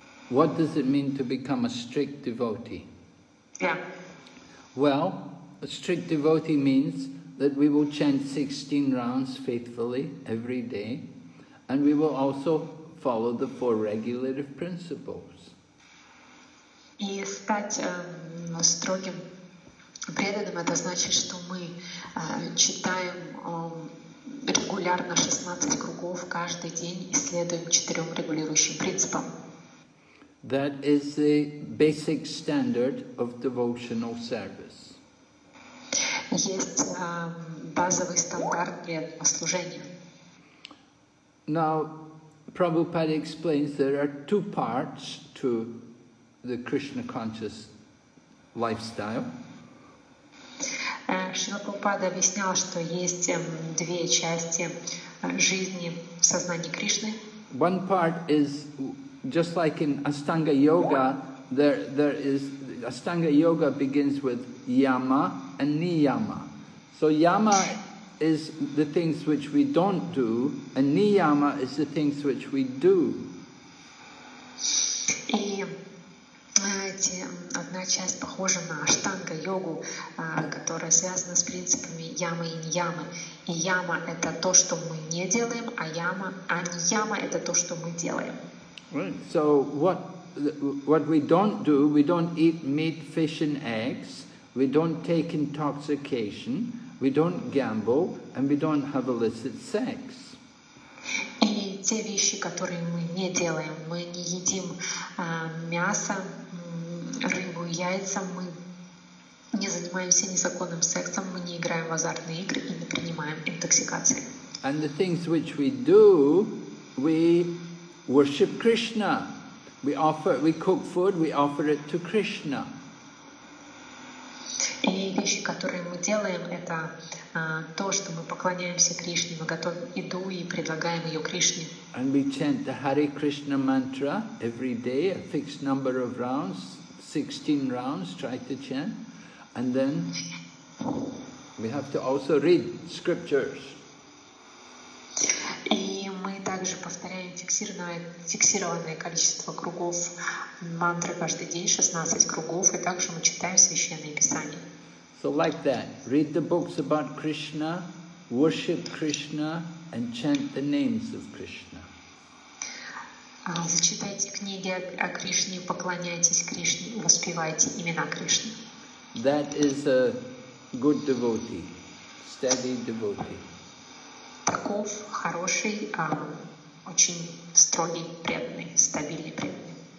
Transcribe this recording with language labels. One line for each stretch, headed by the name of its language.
English: What does it mean to become a strict devotee? Yeah. Well, a strict devotee means that we will chant 16 rounds faithfully every day, and we will also follow the four regulative principles.
Russian: И стать строгим преданным, это значит, что мы читаем регулярно 16 кругов каждый день и следуем четырем регулирующим принципам.
English: That is the basic standard of devotional service.
Russian: Есть базовый стандарт преданного служения.
English: Now, Prabhupada explains there are two parts to the Krishna conscious lifestyle. Шрила Прабхупада объяснял, что есть две части жизни в сознании Кришны. One part is just like in Astanga Yoga, Astanga Yoga begins with Yama and Niyama. So Yama is the things which we don't do, and Niyama is the things which we do.
Russian: И знаете, одна часть похожа на Астанга Йогу, которая связана с принципами Ямы и Ниямы. И Яма — это то, что мы не делаем, а Ниама — это то, что мы делаем.
English: Right. So what we don't do, we don't eat meat, fish and eggs, we don't take intoxication, we don't gamble, and we don't have illicit sex.
Russian: И те вещи, которые мы не делаем. Мы не едим мясо, рыбу, яйца, мы не занимаемся незаконным сексом, мы не играем в азартные игры и не принимаем интоксикации.
English: And the things which we do, we worship Krishna. We cook food, we offer it to Krishna.
Russian: И вещи, которые мы делаем, это то, что мы поклоняемся Кришне, мы готовим еду и предлагаем ее Кришне.
English: And we chant the Hare Krishna mantra every day, a fixed number of rounds, 16 rounds, try to chant. And then we have to also read scriptures.
Russian: И мы также повторяем фиксированное количество кругов мантры каждый день, 16 кругов, и также мы читаем священные писания.
English: So like that, read the books about Krishna, worship Krishna, and chant the names of Krishna.
Russian: Зачитайте книги о Кришне, поклоняйтесь Кришне, воспевайте имена Кришны.
English: That is a good devotee, steady devotee.
Russian: Таков хороший, очень строгий, преданный, стабильный преданный.